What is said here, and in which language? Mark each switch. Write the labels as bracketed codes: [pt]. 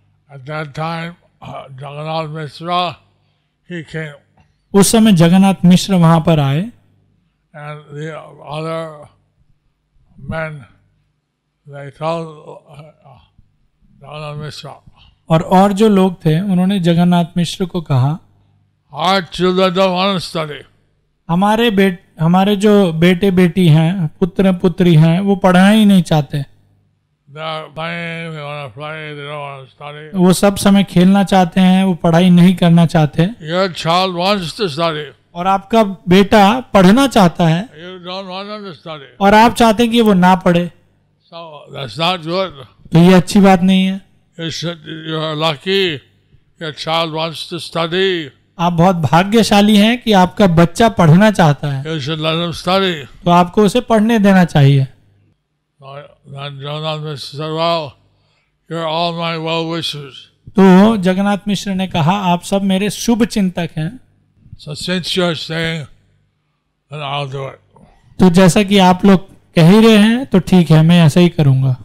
[en] At that time, Jagannath Mishra, he came. [hi] उस समय जगन्नाथ मिश्र वहाँ पर आए. [en] And the other men, they told Jagannath Mishra. [hi] और जो लोग थे, उन्होंने जगन्नाथ मिश्र को कहा, [en] Our children don't want to study. [hi] हमारे जो बेटे बेटी हैं, पुत्र पुत्री हैं, वो पढ़ना ही नहीं चाहते. [en] They are playing, they want to play, they don't want to study. [hi] वो सब समय खेलना चाहते हैं वो पढ़ाई नहीं करना चाहते [en] Your child wants to study. [hi] और आपका बेटा पढ़ना चाहता है [en] You don't want him to study. [hi] और आप चाहते हैं कि वो ना पढ़े [en] So, that's not good. [hi] तो ये अच्छी बात नहीं है [en] You are lucky. Your child wants to study. [hi] आप बहुत भाग्यशाली हैं कि आपका बच्चा पढ़ना चाहता है [en] You should let him study. [hi] तो आपको उसे पढ़ने देना चाहिए [en] Then Jagannath Mishra said, well, you're all my well-wishers. [hi] तो जगन्नाथ मिश्र ने कहा आप सब मेरे शुभ चिंतक हैं [en] So since you're saying, then I'll do it. [hi] तो जैसा कि आप लोग कह ही रहे हैं तो ठीक है मैं ऐसा ही करूंगा